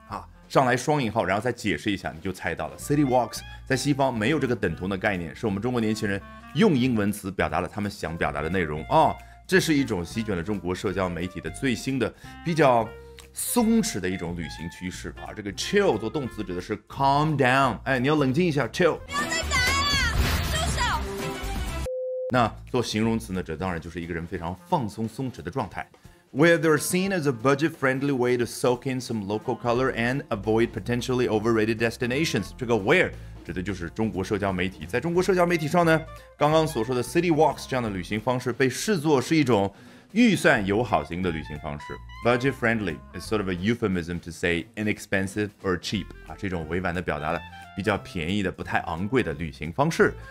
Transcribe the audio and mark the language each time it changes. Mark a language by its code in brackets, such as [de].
[zh] 啊，上来双引号，然后再解释一下，你就猜到了。City Walks 在西方没有这个等同的概念，是我们中国年轻人用英文词表达了他们想表达的内容。哦，这是一种席卷了中国社交媒体的最新的比较松弛的一种旅行趋势啊。这个 chill 做动词指的是 [en] calm down， [zh] 哎，你要冷静一下， chill。不要再打了，收手。那做形容词呢，这当然就是一个人非常放松松弛的状态。 [en] Where they're seen as a budget-friendly way to soak in some local color and avoid potentially overrated destinations. [zh] 这个 where 指的就是中国社交媒体。在中国社交媒体上呢，刚刚所说的 city walks 这样的旅行方式被视作是一种预算友好型的旅行方式。 [en] Budget-friendly is sort of a euphemism to say inexpensive or cheap. [zh] 啊，这种委婉的表达了比较便宜的不太昂贵的旅行方式。